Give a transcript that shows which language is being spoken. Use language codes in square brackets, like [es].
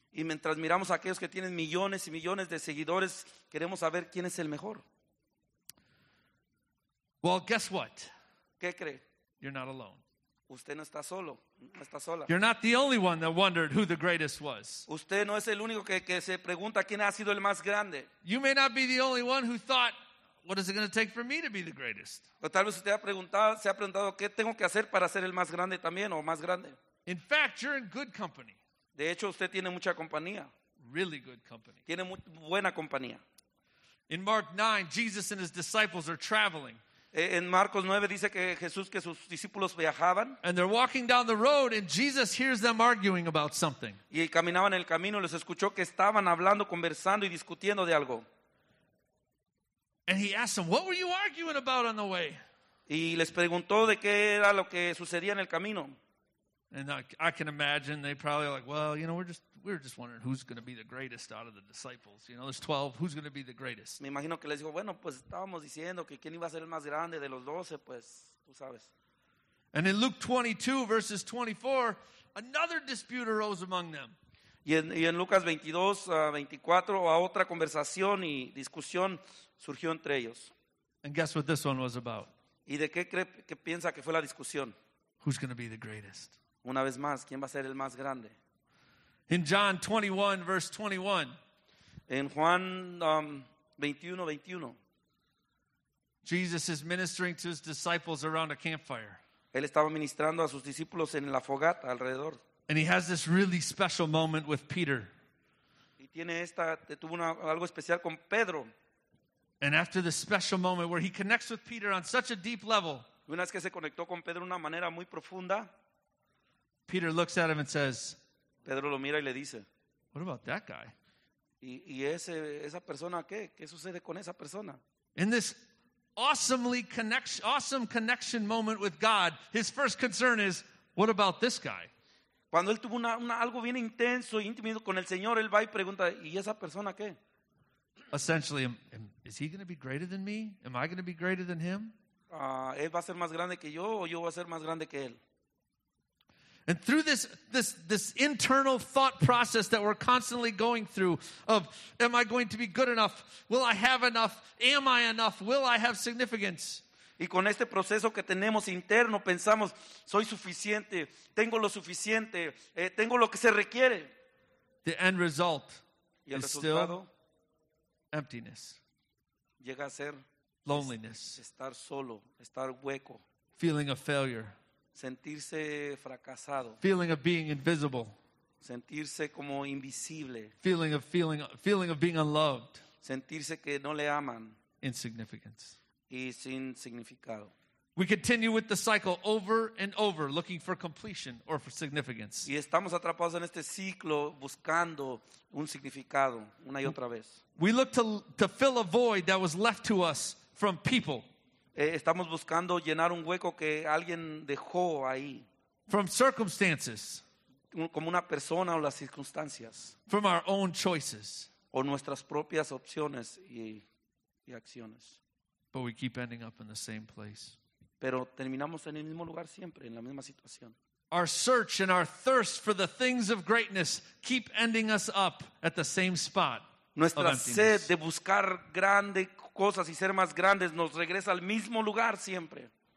[es] Y mientras miramos a aquellos que tienen millones y millones de seguidores, queremos saber quién es el mejor. [en] Well, guess what? [es] ¿Qué cree? [en] You're not alone. [es] Usted no está solo. No está sola. [en] You're not the only one that wondered who the greatest was. [es] Usted no es el único que se pregunta quién ha sido el más grande. [en] You may not be the only one who thought, what is it going to take for me to be the greatest? [es] O tal vez usted se ha preguntado qué tengo que hacer para ser el más grande también o más grande. [en] In fact, you're in good company. [es] De hecho, usted tiene mucha compañía. [en] Really good company. [es] Tiene muy buena compañía. [en] In Mark 9, Jesus and his disciples are traveling. [es] En Marcos 9 dice que Jesús que sus discípulos viajaban. [en] And they're walking down the road and Jesus hears them arguing about something. [es] Y caminaban en el camino y los escuchó que estaban hablando, conversando y discutiendo de algo. [en] And he asked them, "What were you arguing about on the way?" [es] Y les preguntó de qué era lo que sucedía en el camino. [en] And I can imagine they probably like, well, you know, we're just wondering who's going to be the greatest out of the disciples. You know, there's 12. Who's going to be the greatest? [es] Me imagino que les dijo, bueno, pues estábamos diciendo que quién iba a ser el más grande de los 12, pues, tú sabes. [en] And in Luke 22, verses 24, another dispute arose among them. [es] Y en Lucas 22, 24, a otra conversación y discusión surgió entre ellos. [en] And guess what this one was about. [es] ¿Y de qué cree que piensa que fue la discusión? [en] Who's going to be the greatest? [es] Una vez más, ¿quién va a ser el más grande? [en] In John 21, verse 21. [es] En Juan 21, 21. [en] Jesus is ministering to his disciples around a campfire. [es] Él estaba ministrando a sus discípulos en la fogata alrededor. [en] And he has this really special moment with Peter. [es] Y tiene esta, tuvo una, algo especial con Pedro. [en] And after this special moment where he connects with Peter on such a deep level, [es] una vez que se conectó con Pedro de una manera muy profunda, [en] Peter looks at him and says, [es] Pedro lo mira y le dice, [en] what about that guy? [es] Y ese, esa persona, ¿qué? ¿Qué sucede con esa persona? [en] In this awesomely connection, awesome connection moment with God, his first concern is, what about this guy? [es] Cuando él tuvo una algo bien intenso y íntimo con el Señor, él va y pregunta, ¿y esa persona qué? [en] Essentially, is he going to be greater than me? Am I going to be greater than him? [es] Él va a ser más grande que yo o yo voy a ser más grande que él. [en] And through this internal thought process that we're constantly going through of, am I going to be good enough? Will I have enough? Am I enough? Will I have significance? [es] Y con este proceso que tenemos interno, pensamos, soy suficiente, tengo lo suficiente, tengo lo que se requiere. [en] The end result [es] y el [en] is still emptiness. [es] Llega a ser [en] loneliness. [es] Estar solo, estar hueco. [en] Feeling of failure. [es] Sentirse fracasado. [en] Feeling of being invisible. [es] Sentirse como invisible. [en] Feeling of being unloved. [es] Sentirse que no le aman. [en] Insignificance. [es] Y sin significado. [en] We continue with the cycle over and over, looking for completion or for significance. [es] Y estamos atrapados en este ciclo buscando un significado una y otra vez. [en] We look to fill a void that was left to us from people. [es] Estamos buscando llenar un hueco que alguien dejó ahí. [en] From circumstances. [es] Como una persona o las circunstancias. [en] From our own choices. [es] O nuestras propias opciones y acciones. [en] But we keep ending up in the same place. [es] Pero terminamos en el mismo lugar siempre, en la misma situación. [en] Our search and our thirst for the things of greatness keep ending us up at the same spot. [es] Nuestra sed de buscar grandes cosas y ser más grandes nos regresa al mismo lugar siempre.